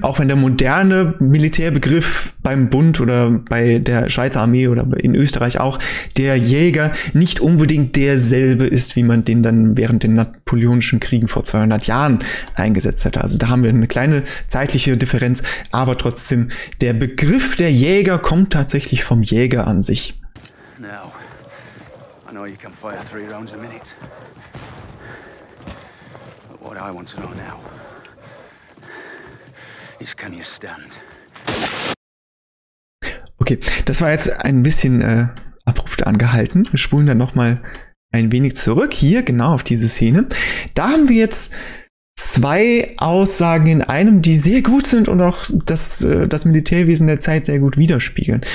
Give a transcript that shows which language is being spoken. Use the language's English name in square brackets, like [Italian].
[German] Auch wenn der moderne Militärbegriff beim Bund oder bei der Schweizer Armee oder in Österreich auch, der Jäger nicht unbedingt derselbe ist, wie man den dann während den napoleonischen Kriegen vor 200 Jahren eingesetzt hat. Also da haben wir eine kleine zeitliche Differenz, aber trotzdem, der Begriff der Jäger kommt tatsächlich vom Jäger an sich. [English] Now, I know you can fire 3 rounds a minute. But what I want to know now is, can you stand? [German] Okay, das war jetzt ein bisschen abrupt angehalten. Wir spulen dann nochmal ein wenig zurück, hier genau auf diese Szene. Da haben wir jetzt zwei Aussagen in einem, die sehr gut sind und auch das Militärwesen der Zeit sehr gut widerspiegeln.